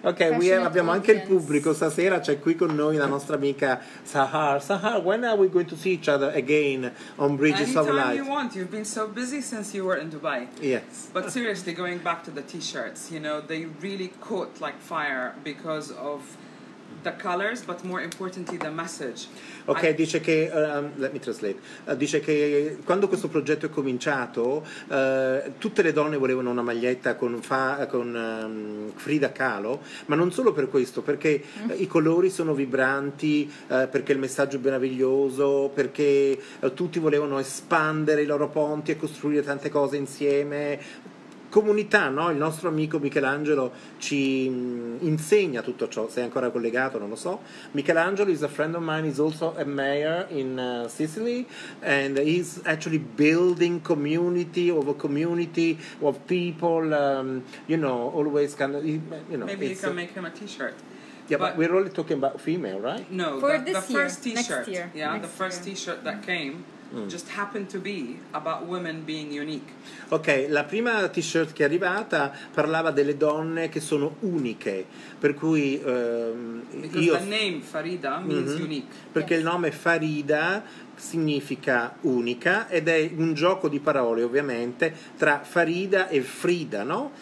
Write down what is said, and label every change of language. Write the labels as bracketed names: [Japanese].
[English] Okay, we have, [Italian] abbiamo anche il pubblico stasera, c'è qui con noi la nostra amica Sahar. [English] Sahar, when are we going to see each other again on Bridges Anytime of Light? Anytime you want. You've been so busy since you were in Dubai. Yes. But seriously, going back to the t-shirts, you know, they really caught like fire because of the colors, but more importantly the message. [Italian] Ok, dice che [English] let me translate. [Italian] Dice che quando questo progetto è cominciato, tutte le donne volevano una maglietta con Frida Kahlo, ma non solo per questo, perché i colori sono vibranti, perché il messaggio è meraviglioso, perché tutti volevano espandere i loro ponti e costruire tante cose insieme. Comunità, no? Il nostro amico Michelangelo ci insegna tutto ciò, sei ancora collegato, non lo so. [English] Michelangelo is a friend of mine, he's also a mayor in Sicily, and he's actually building community of a community of people, you know, always kind of, you know. Maybe you can make him a t-shirt. Yeah, but we're only talking about female, right? No, for the first year, t-shirt. Next year. Yeah, next the first year. T-shirt that came. Just happened to be about women being unique. [Italian] Ok, la prima t-shirt che è arrivata parlava delle donne che sono uniche, per cui [English] Because the name Farida means unique. [Italian] Perché il nome Farida significa unica ed è un gioco di parole ovviamente tra Farida e Frida, no?